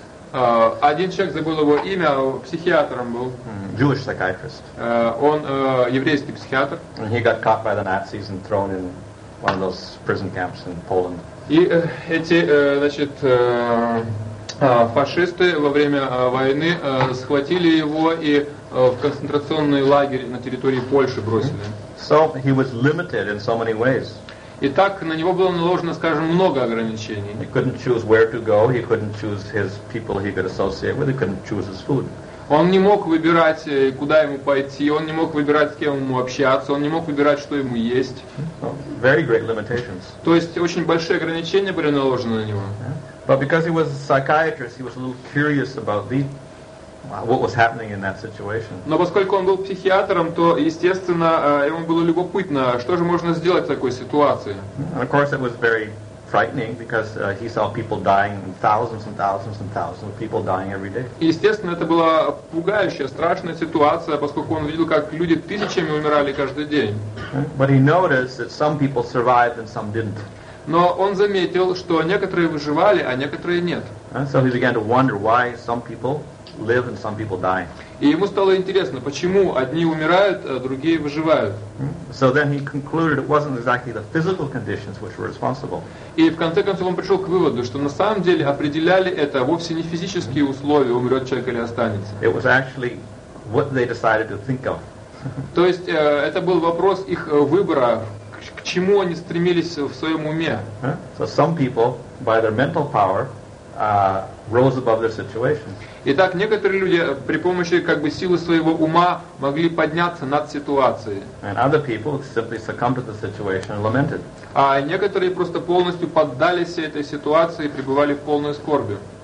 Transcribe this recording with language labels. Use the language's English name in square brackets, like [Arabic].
[Russian] Один человек, забыл его имя, психиатром был. [English] Jewish psychiatrist. [Russian] Он еврейский психиатр. [English] And he got caught by the Nazis and thrown in one of those prison camps in Poland. [Russian] И эти, значит, фашисты во время войны схватили его и в концентрационный лагерь на территории Польши бросили. [English] So he was limited in so many ways. [Russian] Итак, на него было наложено, скажем, много ограничений. [English] He couldn't choose where to go, he couldn't choose his people he could associate with, he couldn't choose his food. [Russian] Он не мог выбирать, куда ему пойти, он не мог выбирать, с кем ему общаться, он не мог выбирать, что ему есть. [English] Very great limitations. [Russian] То есть очень большие ограничения были наложены на него. [English] But because he was a psychiatrist, he was a little curious about what was happening in that situation. [Russian] Но поскольку он был психиатром, то, естественно, ему было любопытно, что же можно сделать в такой ситуации. [English] And of course, it was very frightening because he saw people dying, thousands and thousands and thousands of people dying every day. [Russian] Естественно, это была пугающая, страшная ситуация, поскольку он видел, как люди тысячами умирали каждый день. [English] But he noticed that some people survived and some didn't. [Russian] Но он заметил, что некоторые выживали, а некоторые нет. [English] And so he began to wonder why some people live and some people die. [Russian] И ему стало интересно, почему одни умирают, а другие выживают. [English] So then he concluded it wasn't exactly the physical conditions which were responsible. [Russian] И в конце концов он пришел к выводу, что на самом деле определяли это вовсе не физические условия, умрет человек или останется. [English] It was actually what they decided to think of. [Russian] То есть это был вопрос их выбора, к чему они стремились в своем уме. [English] So some people, by their mental power, rose above their situation. [Russian] Итак, некоторые люди при помощи как бы силы своего ума могли подняться над ситуацией. [English] And other people simply succumbed to the situation and lamented. [Russian] А некоторые просто полностью поддались этой ситуации и пребывали в полной скорби.